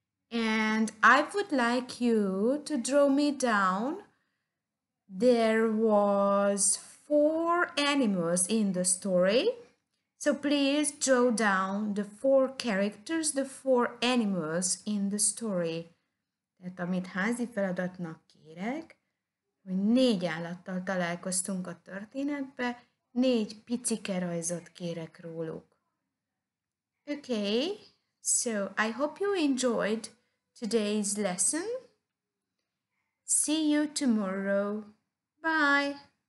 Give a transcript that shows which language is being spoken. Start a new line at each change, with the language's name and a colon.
English: And I would like you to draw me down. There was four animals in the story. So please draw down the four characters, the four animals in the story.
Hungarian: Tehát amit házi feladatnak kérek, hogy négy állattal találkoztunk a történetbe, négy picike rajzot kérek róluk.
English: Okay, so I hope you enjoyed today's lesson. See you tomorrow. Bye.